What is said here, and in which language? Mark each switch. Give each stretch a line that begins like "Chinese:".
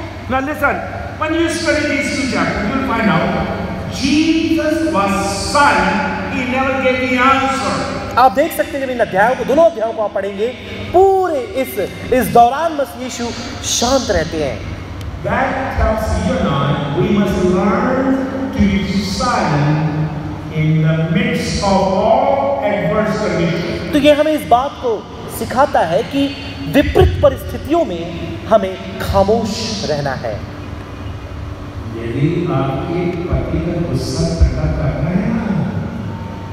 English: Now listen, when you study these two chapters, you'll find out Jesus was silent, he never gave the answer.
Hindi: आप देख सकते हैं जब इन अध्यायों को दोनों अध्यायों को आप पढ़ेंगे पूरे इस दौरान मसीह यीशु शांत रहते हैं।
English: That tells you and I, we must learn to be silent in the midst of all adversity.
Hindi: तो ये हमें इस बात को सिखाता है कि विपरीत परिस्थितियों में हमें खामोश रहना है। यदि आपके पति का गुस्सा पैदा कर रहे हैं